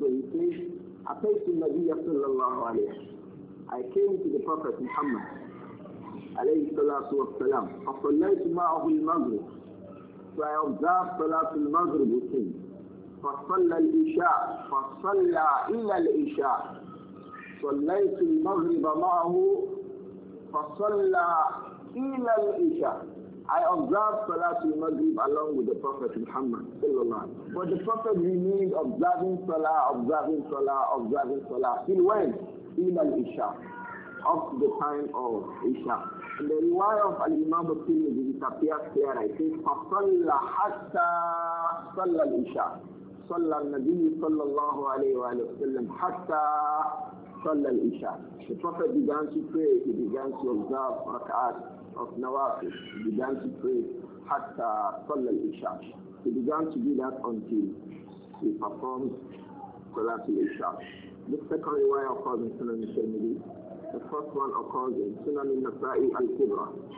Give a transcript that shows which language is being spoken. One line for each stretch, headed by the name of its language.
English: So he says,
Arabic: Ataytu Nabiya sallallahu alayhi wa sallam.
English: I came to the Prophet Muhammad alayhi salatu wasalam.
Arabic: Fa sallaytu ma'ahu al-maghrib.
English: So I observed salatu al-maghrib with him.
Arabic: Fa salla al-isha. Fa salla illa al-isha. صليت المغرب معه فصلى إلى العشاء.
English: I observed Salat al-Maghrib along with the Prophet Muhammad sallallahu alaihi wasallam. But the Prophet remained observing Salah, observing Salah, observing Salah. He went
Arabic: إلى العشاء,
English: up to the time of Isha. And the riwayah of Al-Imam al-Tirmidhi, it appears there, I think,
Arabic: فصلى حتى صلى العشاء. صلى النبي صلى الله عليه وسلم حتى Sallal Isha.
English: The Prophet began to pray, he began to observe rak'at of nawafil, he began to pray
Arabic: hatta Sallal Isha.
English: He began to do that until he performed Salatul Isha. The second riwayah occurs in Sunan al-Tirmidhi. The first one occurs in Sunan al-Nasa'i al-Kubra.